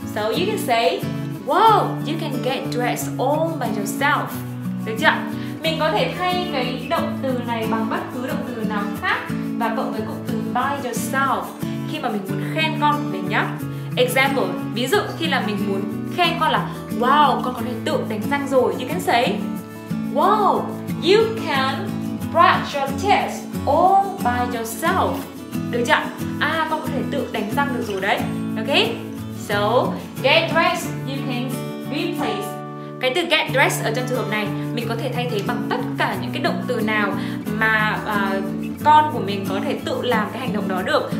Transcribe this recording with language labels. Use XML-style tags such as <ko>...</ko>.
<en>So you can say wow, you can get dressed all by yourself.</en> <vi>Được chưa? Mình có thể thay cái động từ này bằng bất cứ động từ nào khác và cộng với cụm từ by yourself khi mà mình muốn khen con của mình nhá. Example, ví dụ khi là mình muốn khen con là wow, con có thể tự đánh răng rồi.</vi> <en>You can say wow, you can brush your teeth all by yourself.</en> <vi>Được chưa? Con có thể tự đánh răng được rồi đấy.</vi> <en>Ok? So, get dressed, you can replace.</en> <vi>Cái từ get dressed ở trong trường hợp này, mình có thể thay thế bằng tất cả những cái động từ nào mà con của mình có thể tự làm cái hành động đó được.</vi>